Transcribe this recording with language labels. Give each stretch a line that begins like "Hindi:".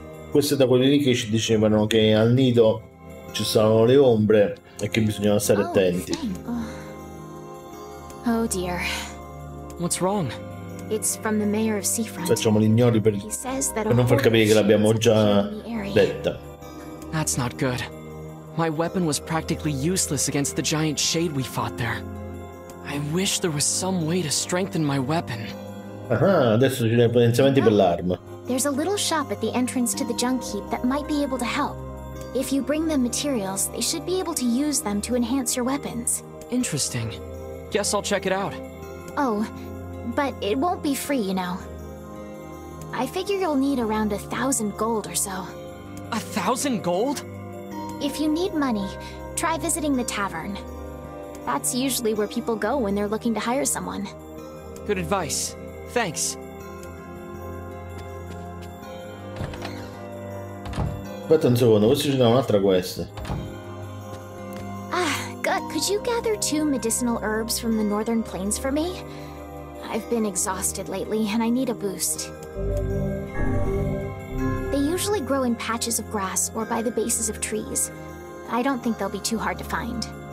Italian: Questo è da quelli lì che ci dicevano che al nido ci sono le ombre e che bisognava stare attenti.
English: Oh dear. What's wrong? It's from the mayor of Seafront.
Italian: Facciamo l'ignori per non far capire che l'abbiamo già detta.
English: That's not good. My weapon was practically useless against the giant shade we fought there. I wish there was some way to strengthen my weapon.
Italian: Aha, adesso ci sono potenziamenti per l'arma.
English: There's a little shop at the entrance to the junk heap that might be able to help. If you bring them materials, they should be able to use them to enhance your weapons. Interesting. Guess I'll check it out. Oh, but it won't be free, you know. I figure you'll need around 1,000 gold or so. 1,000 gold? If you need money, try visiting the tavern. That's usually where people go when they're looking to hire someone. Good advice. Thanks.
Italian: Aspetta un secondo, questo ci dà un'altra quest.
English: Ah, Gut, could you gather 2 medicinal herbs from the northern plains for me? I've been exhausted lately, and I need a boost. They usually grow in patches of grass or by the bases of trees. I don't think they'll be too hard to find.